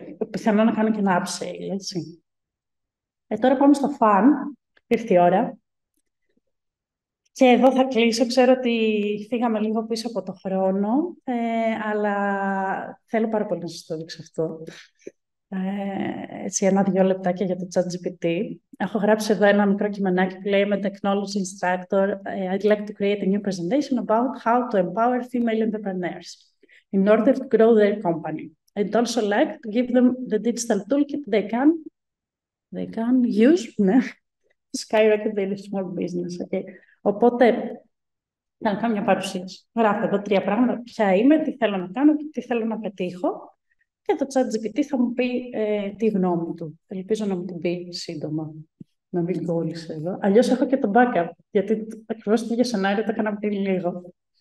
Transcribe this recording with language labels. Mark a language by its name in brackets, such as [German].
[Greek] πιθανό να κάνω και ένα upsell, έτσι. Τώρα πάμε στο fun, ήρθε η ώρα. Και εδώ θα κλείσω. Ξέρω ότι φύγαμε λίγο πίσω από το χρόνο, αλλά θέλω πάρα πολύ να σας το δείξω αυτό. Έτσι, ένα-δυο λεπτάκια για το ChatGPT. Έχω γράψει εδώ ένα μικρό κειμενάκι που λέει [English] «I'm a technology instructor. I'd like to create a new presentation about how to empower female entrepreneurs in order to grow their company. I'd also like to give them the digital toolkit they can use to skyrocket their small business». Okay. [Greek] Οπότε, θα κάνω μια παρουσίαση. Γράφω εδώ τρία πράγματα. Ποια είμαι, τι θέλω να κάνω και τι θέλω να πετύχω. Και το ChatGPT θα μου πει τη γνώμη του. Ελπίζω να μου την πει σύντομα. Να μην κόλλησε εδώ. Αλλιώς έχω και το backup. Γιατί ακριβώς το ίδιο σενάριο το έκανα πριν λίγο.